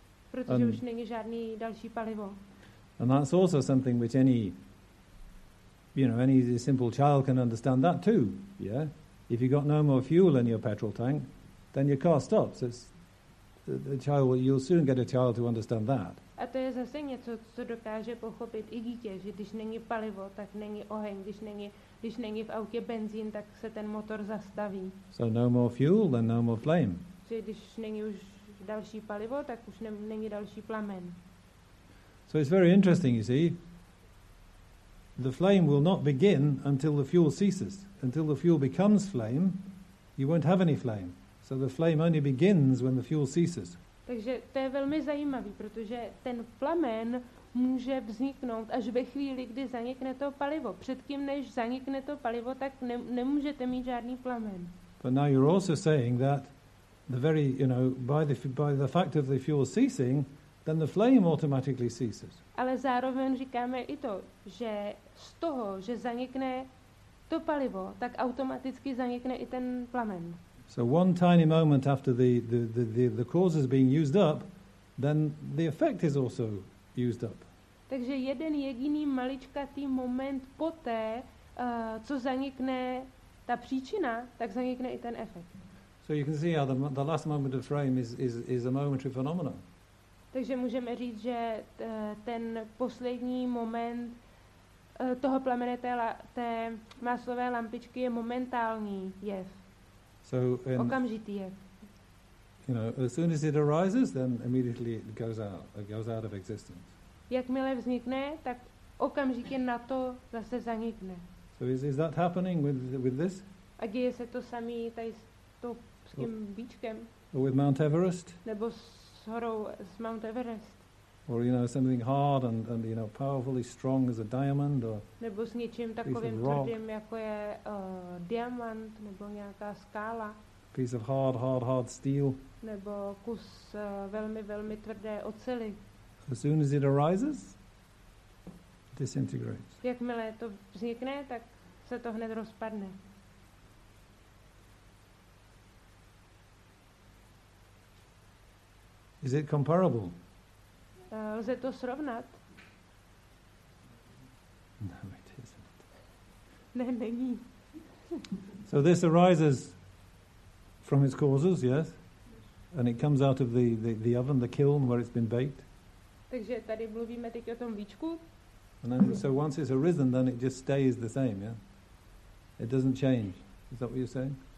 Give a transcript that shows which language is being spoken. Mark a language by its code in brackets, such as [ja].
[cs] Protože and, už není žádný další palivo. [en] And that's also something which any simple child can understand that too, yeah? If you've got no more fuel in your petrol tank, then your car stops. You'll soon get a child to understand that. [cs] A to je zase něco, co dokáže pochopit i dítě, že když není palivo, tak není oheň, když není v autě benzín, tak se ten motor zastaví. [en] So no more fuel, then no more flame. [cs] Že když není už další palivo, tak už není další plamen. [en] So it's very interesting, you see. The flame will not begin until the fuel ceases. Until the fuel becomes flame, you won't have any flame. So the flame only begins when the fuel ceases. [cs] Takže to je velmi zajímavý, protože ten plamen může vzniknout až ve chvíli, kdy zanikne to palivo. Předtím, než zanikne to palivo, tak nemůžete mít žádný plamen. [en] But now you're also saying that the very, you know, by the fact of the fuel ceasing, then the flame automatically ceases. [cs] Ale zároveň říkáme i to, že z toho, že zanikne to palivo, tak automaticky zanikne i ten plamen. [en] So one tiny moment after the cause is being used up, then the effect is also used up. [cs] Takže jeden jediný maličkatý moment poté, co zanikne ta příčina, tak zanikne i ten efekt. [en] So you can see how the last moment of frame is a momentary phenomenon. [cs] Takže můžeme říct, že ten poslední moment toho plamene té máslové lampičky je momentální jev. [en] So [cs] okamžitý jev. [en] You know, as soon as it arises, then immediately it goes out. It goes out of existence. [cs] Jakmile vznikne, tak okamžitě na to zase zanikne. [en] So is that happening with this? [cs] A děje se to samý tady s tím bíčkem? [en] Or with Mount Everest? [cs] Nebo s horou s Mount Everest? [en] Or you know something hard and you know powerfully strong as a diamond or [cs] nebo s něčím takovým tvrdým jako je diamant nebo nějaká skála. [en] Piece of hard steel. [cs] Nebo kus velmi velmi tvrdé oceli. [en] As soon as it arises, disintegrates. [cs] Jakmile to vznikne, tak se to hned rozpadne. [en] Is it comparable? [cs] Lze to srovnat? [en] No, it isn't. [cs] Ne, není. [en] So this arises from its causes, yes? And it comes out of the oven, the kiln, where it's been baked. [cs] Takže tady mluvíme teď o tom víčku. [en] And then, so once it's arisen, then it just stays the same, yeah? It doesn't change. Is that what you're saying?